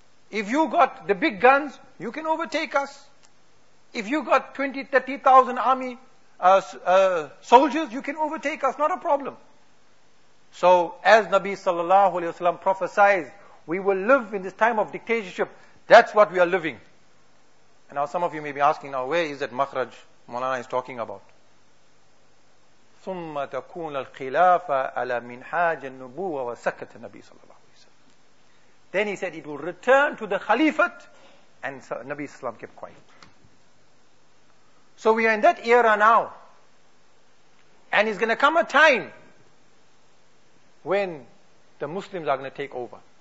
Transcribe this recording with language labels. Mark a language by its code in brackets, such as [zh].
[en] If you got the big guns, you can overtake us. If you got 20, 30,000 army soldiers, you can overtake us, not a problem. So, as Nabi sallallahu alayhi wa sallam prophesied, we will live in this time of dictatorship. That's what we are living. And now some of you may be asking now, where is that makhraj Maulana is talking about? [ar] ثُمَّ تَكُونَ الْخِلَافَ عَلَى مِنْحَاجَ النُّبُوَ وَسَكَّتَ النَّبِي sallallahu alayhi wa sallam. [en] Then he said, it will return to the khalifat, and Nabi sallam kept quiet. So we are in that era now. And it's going to come a time when the Muslims are going to take over.